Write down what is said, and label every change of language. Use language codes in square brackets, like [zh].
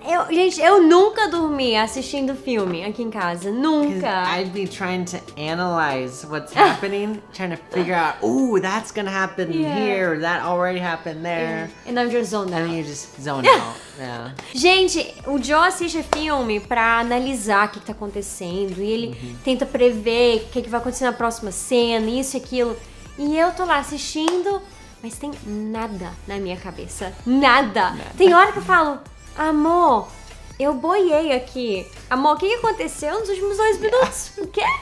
[pt] Gente, eu nunca dormi assistindo filme aqui em casa. Nunca. [en] I'd be trying to analyze what's happening, trying to figure out, ooh, that's gonna happen here, that already happened there. And I'm just zoned out. And you're just zoned out, [pt] Gente, o Joe assiste filme pra analisar o que tá acontecendo, e ele tenta prever o que vai acontecer na próxima cena, isso e aquilo. E eu tô lá assistindo, mas tem nada na minha cabeça. Nada. Tem hora que eu falo, amor, eu boiei aqui. Amor, o que aconteceu nos últimos 2 minutos? O quê?